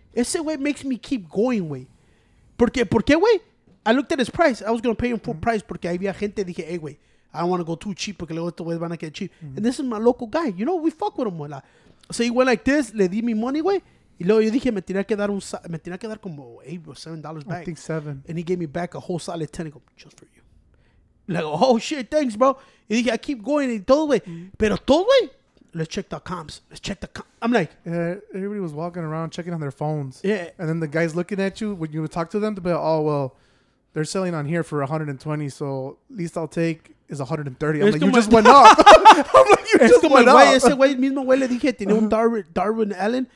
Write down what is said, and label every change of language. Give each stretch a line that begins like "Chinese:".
Spanish: Ese güey
English: makes me keep going, güey.
Spanish: ¿Por qué, güey?
English: I looked at his price. I was going to pay him full price
Spanish: porque había gente. Dije, hey, güey,
English: I don't want to go too cheap
Spanish: porque luego estos güeyes van a
English: get cheap. And this is my local guy. You know, we fuck with him, güey. So he went like this.
Spanish: Le di mi
English: money, güey.
Spanish: Y luego yo dije, me tenía que dar como $8
English: or $7 back. I think $7. And he gave me back a whole solid $10. I go, just for you. Like, oh, shit, thanks, bro.
Spanish: Y dije,
English: I keep going.
Spanish: Y todo, güey. Pero todo, güey.
English: Let's check the comps. Let's check the comps. I'm like. Everybody was walking around checking on their phones. Yeah. And then the guy's looking at you. When you would talk to them, they'd be like, oh, well, they're selling on here for $120. So at least I'll take is $130. I'm like, you just went up.
Spanish: Ese güey mismo güey le dije tenía un Darwin Allen.